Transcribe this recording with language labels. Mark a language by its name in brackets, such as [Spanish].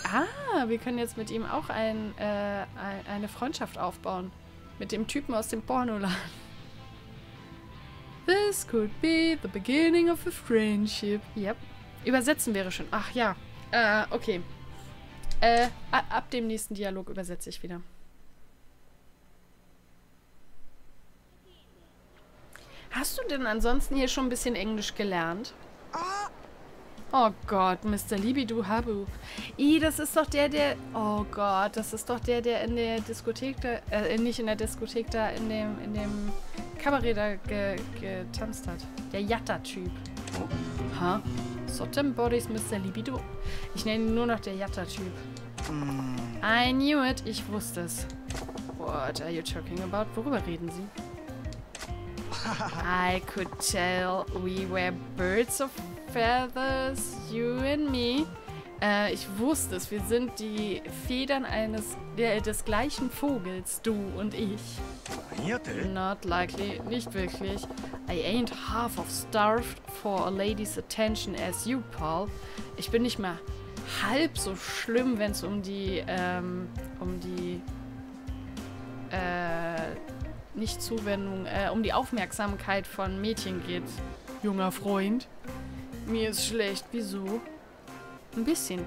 [German] Ah, wir können jetzt mit ihm auch eine Freundschaft aufbauen. Mit dem Typen aus dem Pornoladen. [English] This could be the beginning of a friendship. [German] Yep. Übersetzen wäre schön. Ach ja. Okay. Ab dem nächsten Dialog übersetze ich wieder. Hast du denn ansonsten hier schon ein bisschen Englisch gelernt? Oh Gott, Mr. Libidu Habu. Ih, das ist doch der, der... Oh Gott, das ist doch der, der in der Diskothek da... nicht in der Diskothek da, in dem Kabarett da getanzt hat. Der Jatta-Typ. Ha? Huh? Sotten Bodies, Mr. Libidu? Ich nenne ihn nur noch der Jatta-Typ. [English] I knew it. [German] Ich wusste es. [English] What are you talking about? [German] Worüber reden Sie? [English] I could tell we were birds of feathers, you and me. [German] Ich wusste es. Wir sind die Federn des gleichen Vogels, du und ich. [English] Not likely. [German] Nicht wirklich. [English] I ain't half of starved for a lady's attention as you, Paul. [German] Ich bin nicht mehr... halb so schlimm, wenn es um die Aufmerksamkeit von Mädchen geht. Junger Freund, mir ist schlecht. Wieso? Ein bisschen.